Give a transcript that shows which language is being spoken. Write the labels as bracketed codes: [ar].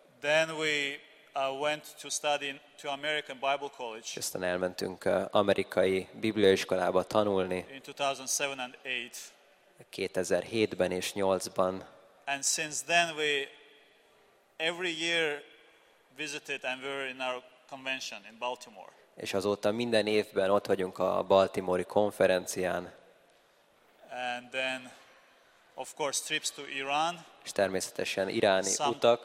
[en] Then we went to study to American Bible College. [hu] Aztán elmentünk amerikai bibliaiskolába tanulni. [en] In 2007 and 8. [hu] 2007-ben és 8-ban. [en] And since then we every year visited and were in our convention in Baltimore. [hu] És azóta minden évben ott vagyunk a Baltimore-i konferencián. [en] And then of course trips to Iran. [hu] És természetesen iráni utak.